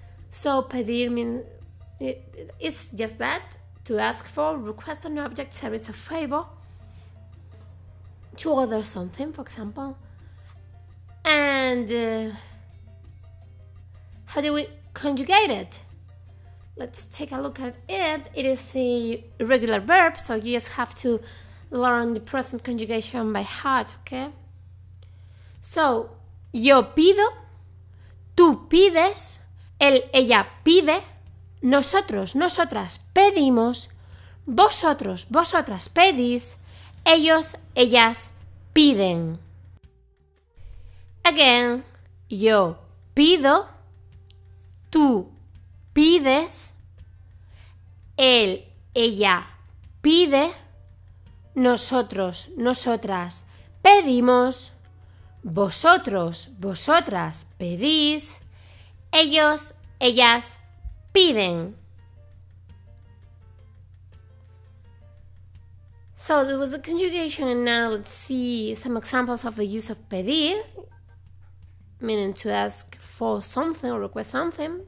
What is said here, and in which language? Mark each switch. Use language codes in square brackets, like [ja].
[en] So pedir means it's just that, to ask for, request an object, service, or favor, to order something, for example. And how do we conjugate it? Let's take a look at it. It is a irregular verb, so you just have to learn the present conjugation by heart, okay? [es] So, yo pido, tú pides, él, ella pide, nosotros, nosotras pedimos, vosotros, vosotras pedís, ellos, ellas piden. Again, yo pido, tú pides, él, ella pide, nosotros, nosotras pedimos, vosotros, vosotras pedís, ellos, ellas piden. [en] So there was a conjugation, and now let's see some examples of the use of pedir, meaning to ask for something or request something.